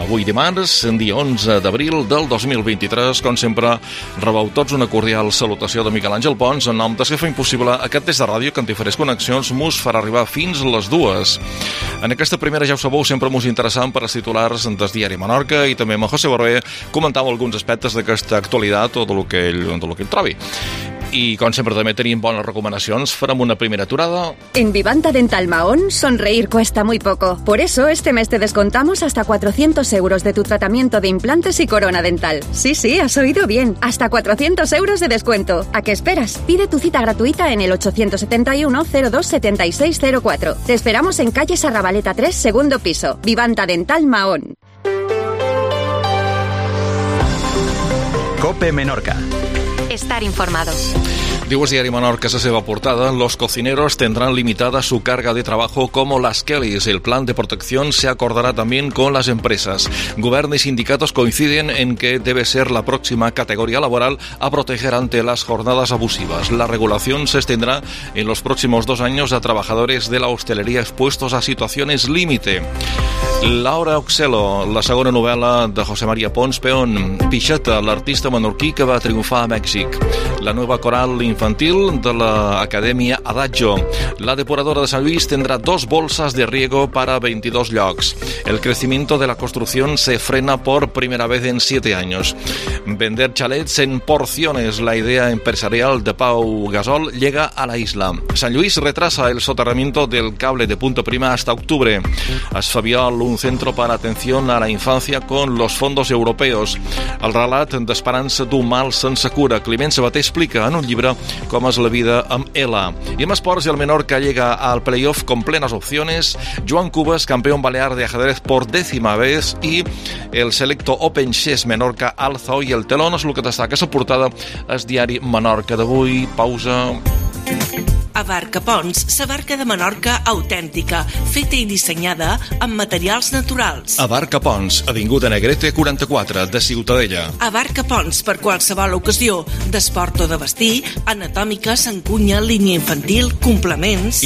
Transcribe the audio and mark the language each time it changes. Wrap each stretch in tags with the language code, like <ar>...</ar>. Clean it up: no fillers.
<ca>Avui dimarts, en dia 11 d'abril del 2023, com sempre, rebeu tots una cordial salutació de Miquel Àngel Pons, en nom d'Esquefa Impossible, aquest test de ràdio que en diferents connexions mos farà arribar fins les dues. En aquesta primera, ja ho sabeu, sempre mos interessant per als titulars del diari Menorca, i també amb José Barber comentava alguns aspectes d'aquesta actualitat o de lo que ell trobi. I com sempre també tenim bones recomanacions, farem una primera aturada.</ca> <es>En Vivanta Dental Mahón, sonreír cuesta muy poco. Por eso este mes te descontamos hasta 400 euros de tu tratamiento de implantes y corona dental. Sí, sí, has oído bien. Hasta 400 euros de descuento. ¿A qué esperas? Pide tu cita gratuita en el 871-02-7604. Te esperamos en calle Sarrabaleta 3, segundo piso. Vivanta Dental Mahón. COPE Menorca. Estar informado.</es> <ca>Diu el diari Menorca, la seva portada,</ca> <es>los cocineros tendrán limitada su carga de trabajo como las Kellys. El plan de protección se acordará también con las empresas. Gobierno y sindicatos coinciden en que debe ser la próxima categoría laboral a proteger ante las jornadas abusivas. La regulación se extenderá en los próximos dos años a trabajadores de la hostelería expuestos a situaciones límite.</es> <ca>Laura Oxelo, la segona novel·la de José María Pons Peón. Pixeta, l'artista menorquí que va triomfar a Mèxic. La nova coral infantil de l'Acadèmia Adagio. La depuradora de Sant Lluís tindrà dos</ca> <es>bolsas de riego para</es> <ca>22 llocs.</ca> <es>El crecimiento de la construcción se frena por primera vez en 7 años. Vender chalets en porciones, la idea empresarial de Pau Gasol llega a la isla. Sant Lluís retrasa el soterramiento del cable de Punto Prima hasta octubre. Es Fabiol, un centro para atención a la infancia con los fondos europeos.</es> <ca>El relat d'esperança d'un mal sense cura. Climent Sabater explica en un llibre com és la vida amb ela. I amb esports,</ca> <es>i el Menorca llega al playoff con plenes opciones. Joan Cubas, campeón balear de ajedrez por décima vez, i el selecto Open Chess Menorca alza hoy el telón.</es> <ca>És el que destaca la portada al diari Menorca d'avui. Pausa. Abarca Pons, la barca de Menorca autèntica, feta i dissenyada amb materials naturals. Abarca Pons, avinguda Negrete 44, de Ciutadella. Abarca Pons, per qualsevol ocasió, d'esport o de vestir, anatòmica, s'encunya, línia infantil, complements.</ca>